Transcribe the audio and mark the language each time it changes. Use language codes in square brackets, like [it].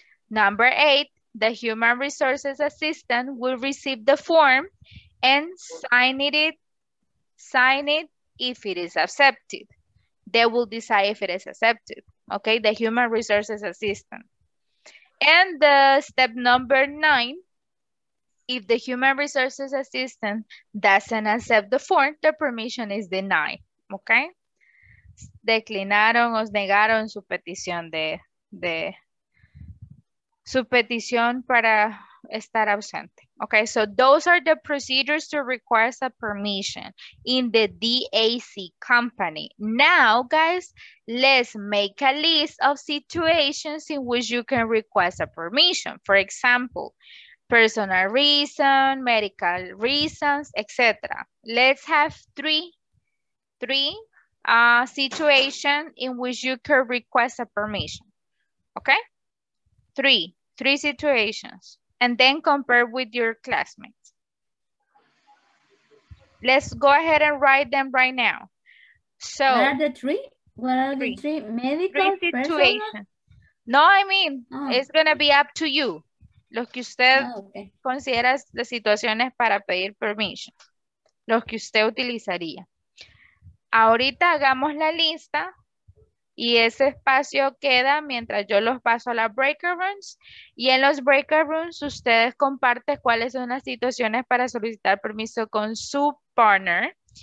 [en] Number eight, the human resources assistant will receive the form and sign it if it is accepted. They will decide if it is accepted, Okay, the human resources assistant. And the step number 9, if the human resources assistant doesn't accept the form, the permission is denied, okay? [es] Declinaron o negaron su petición de su petición para estar ausente. [en] Okay, so those are the procedures to request a permission in the DAC company. Now, guys, let's make a list of situations in which you can request a permission. For example, personal reason, medical reasons, etc. Let's have three situations in which you can request a permission. Okay? Three situations. And then compare with your classmates. Let's go ahead and write them right now. So, what are the three? Medical, situation. No, I mean, it's gonna be up to you. [es] Lo que usted considera las situaciones para pedir permiso. Lo que usted utilizaría. Ahorita hagamos la lista. Y ese espacio queda mientras yo los paso a las breakout rooms. Y en los breakout rooms, ustedes comparten cuáles son las situaciones para solicitar permiso con su partner.